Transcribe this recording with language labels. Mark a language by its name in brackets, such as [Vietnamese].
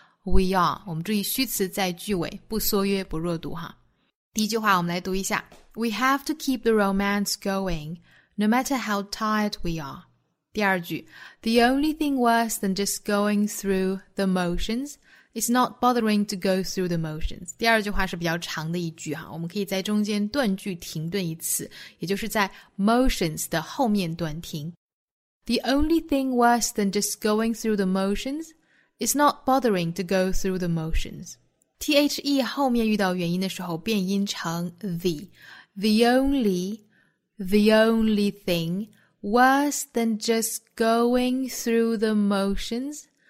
[Chinese] 我们注意虚词在句尾不缩约不弱读哈。第一句话我们来读一下 [English] ：We have to keep the romance going, no matter how tired we are。 [Chinese] 第二句 [English] ：The only thing worse than just going through the motions is not bothering to go through the motions。 [Chinese] 第二句话是比较长的一句哈，我们可以在中间断句停顿一次，也就是在 motions 的后面断停。 [English] The only thing worse than just going through the motions is not bothering to go through the motions。 [Chinese] The 后面遇到元音的时候变音成 the。 [English] The only thing worse than just going through the motions。